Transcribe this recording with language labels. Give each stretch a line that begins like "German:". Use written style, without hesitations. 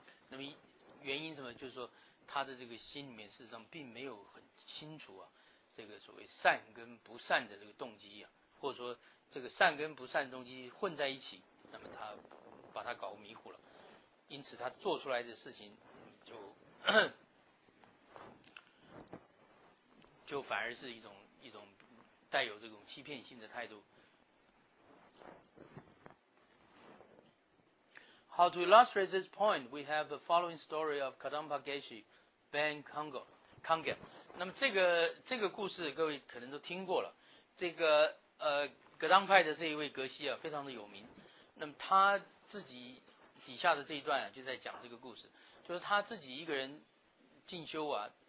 Chinese: 那么原因什么，就是说他的这个心里面事实上并没有很清楚啊，这个所谓善跟不善的这个动机啊，或者说这个善跟不善的动机混在一起，那么他把他搞迷糊了，因此他做出来的事情就反而是一种带有这种欺骗性的态度。
English: How to illustrate this point, we have the following story of Kadampa Geshi Ben Kangge.
Chinese: 那么这个故事各位可能都听过了，这个格当派的这一位格西啊非常的有名，那么他自己底下的这一段啊就在讲这个故事，就是他自己一个人进修啊